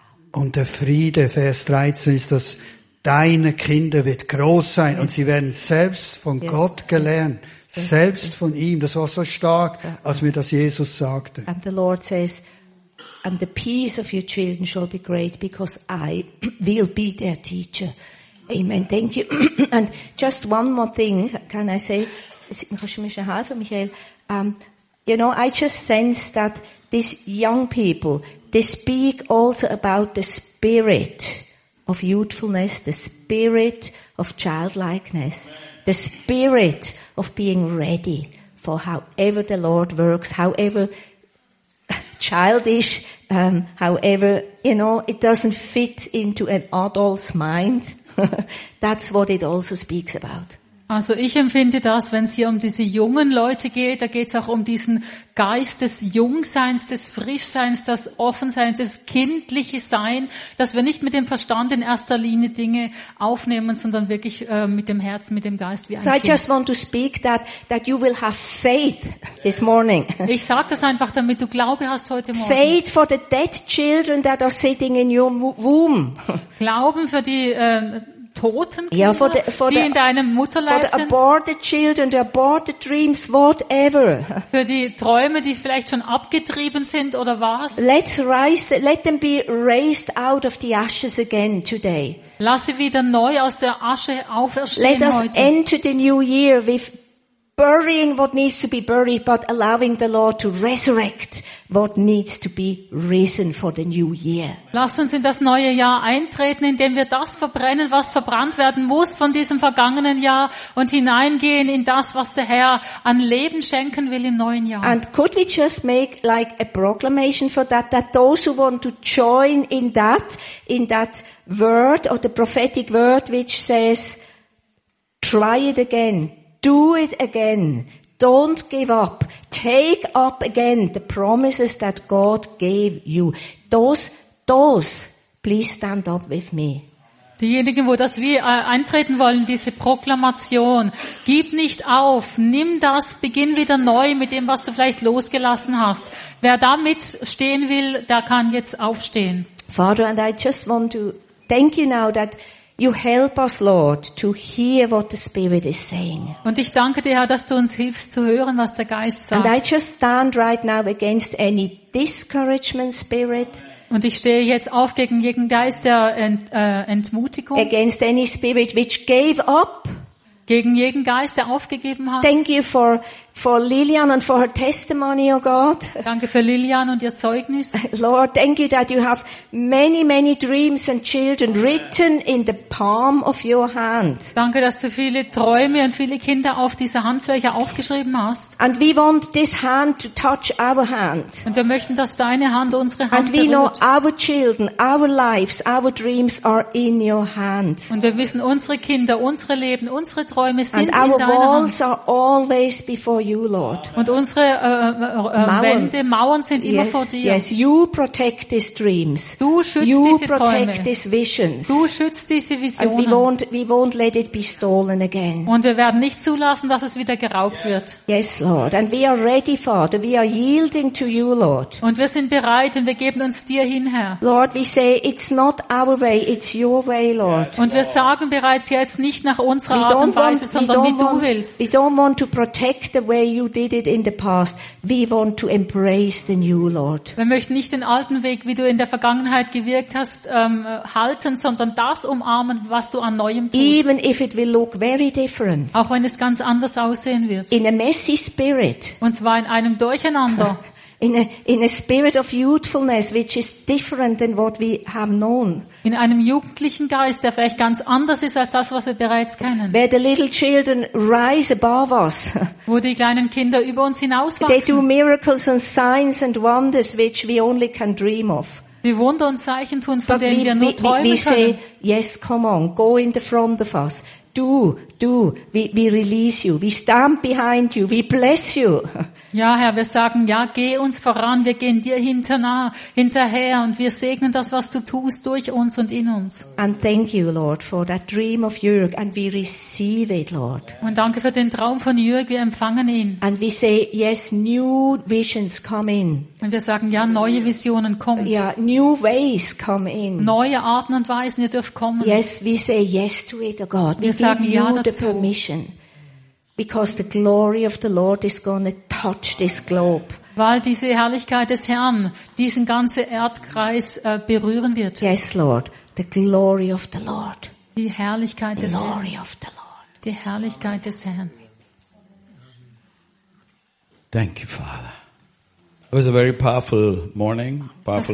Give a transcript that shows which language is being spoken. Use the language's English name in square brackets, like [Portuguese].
[German] Und der Friede, Vers 13, ist, dass deine Kinder wird groß sein und sie werden selbst von Gott gelernt. Selbst von ihm. Das war so stark, als mir das Jesus sagte. [English] And the Lord says, and the peace of your children shall be great because I will be their teacher. Amen. Thank you. And just one more thing, can I say? [German] kannst du mir schon helfen, Michael? [English] You know, I just sense that these young people, they speak also about the spirit of youthfulness, the spirit of childlikeness, the spirit of being ready for however the Lord works, however childish, however, you know, it doesn't fit into an adult's mind. That's what it also speaks about. [German] Also ich empfinde das, wenn es hier um diese jungen Leute geht, da geht es auch um diesen Geist des Jungseins, des Frischseins, des Offenseins, des kindlichen Sein, dass wir nicht mit dem Verstand in erster Linie Dinge aufnehmen, sondern wirklich mit dem Herzen, mit dem Geist wie ein Kind. [English] So I just want to speak that you will have faith this morning. [German] Ich sag das einfach, damit du Glaube hast heute Morgen. [English] Faith for the dead children that are sitting in your womb. [German] Glauben für die Toten Kinder, yeah, die in deinem Mutterleib sind. [English] For the aborted children, the aborted dreams, whatever. [German] Für die Träume, die vielleicht schon abgetrieben sind oder was. [English] Let them be raised out of the ashes again today. [German] Lass sie wieder neu aus der Asche auferstehen heute. [English] us enter the new year with burying what needs to be buried, but allowing the Lord to resurrect what needs to be risen for the new year. [German] Lasst uns in das neue Jahr eintreten, indem wir das verbrennen, was verbrannt werden muss von diesem vergangenen Jahr, und hineingehen in das, was der Herr an Leben schenken will im neuen Jahr. [English] And could we just make like a proclamation for that those who want to join in that word or the prophetic word which says, try it again. Do it again. Don't give up. Take up again the promises that God gave you. Those, please stand up with me. [German] Diejenigen, wo das wir eintreten wollen, diese Proklamation. Gib nicht auf. Nimm das. Beginn wieder neu mit dem, was du vielleicht losgelassen hast. Wer da mitstehen will, der kann jetzt aufstehen. [English] Father, and I just want to thank you now that you help us, Lord, to hear what the Spirit is saying. [German] Und ich danke dir, Herr, dass du uns hilfst zu hören, was der Geist sagt. [English] And I just stand right now against any discouragement spirit. [German] Und ich stehe jetzt auf gegen jeden Geist der Entmutigung. [English] Against any spirit which gave up. [German] Gegen jeden Geist, der aufgegeben hat. [English] Thank you for Lilian and for her testimony, oh God. [German] Danke für Lilian und ihr Zeugnis. [English] Lord, thank you that you have many, many dreams and children written in the palm of your hand. [German] Danke, dass du viele Träume und viele Kinder auf dieser Handfläche aufgeschrieben hast. [English] And we want this hand to touch our hand. [German] Und wir möchten, dass deine Hand unsere Hand berührt. [English] And we know our children, our lives, our dreams are in your hand. [German] Und wir wissen, unsere Kinder, unsere Leben, unsere Träume sind in deiner Hand. [English] And our walls are always before you, Lord. [German] Und unsere Mauern sind immer vor dir. [English] Yes, you protect these dreams. [German] Du schützt [English] you [German] diese [English] protect [German] Träume. [English] These visions. [German] Du schützt diese Visionen. [English] And we won't let it be stolen again. [German] Und wir werden nicht zulassen, dass es wieder geraubt wird. [English] Yes, Lord. And we are ready, Father. We are yielding to you, Lord. [German] Und wir sind bereit und wir geben uns dir hin, Herr. [English] Lord, we say it's not our way, it's your way, Lord. [German] Und wir sagen bereits jetzt nicht nach unserer Art und Weise, sondern wie du willst. [English] We don't want to protect the way you did it in the past. We want to embrace the new, Lord. [German] Wir möchten nicht den alten Weg, wie du in der Vergangenheit gewirkt hast, halten, sondern das umarmen, was du an neuem tust. [English] Even if it will look very different. [German] Auch wenn es ganz anders aussehen wird. [English] In a messy spirit. [German] Und zwar in einem Durcheinander. [English] In a spirit of youthfulness, which is different than what we have known. [German] In einem jugendlichen Geist, der vielleicht ganz anders ist als das, was wir bereits kennen. [English] Where the little children rise above us. [German] Wo die kleinen Kinder über uns hinauswachsen. [English] They do miracles and signs and wonders, which we only can dream of. [German] Die Wunder und Zeichen tun, von denen wir nur träumen können. [English] We say, yes, come on, go in the front of us. Do, we release you. We stand behind you. We bless you. [German] Ja, Herr, wir sagen, ja, geh uns voran, wir gehen dir hinterher und wir segnen das, was du tust, durch uns und in uns. [English] And thank you, Lord, for that dream of Jürg, and we receive it, Lord. [German] Und danke für den Traum von Jürg, wir empfangen ihn. [English] And we say, yes, new visions come in. [German] Und wir sagen, ja, neue Visionen kommen. [English] Yeah, new ways come in. [German] Neue Arten und Weisen, ihr dürft kommen. [English] Yes, we say yes to it, oh God. [German] Wir sagen ja dazu. [English] Because the glory of the Lord is going to touch this globe. [German] Weil diese Herrlichkeit des Herrn diesen ganzen Erdkreis berühren wird. [English] Yes, Lord, the glory of the Lord. [German] Die Herrlichkeit [English] glory [German] des Herrn. [English] Glory of the Lord. [German] Die Herrlichkeit des Herrn. [English] Thank you, Father. It was a very powerful morning, powerful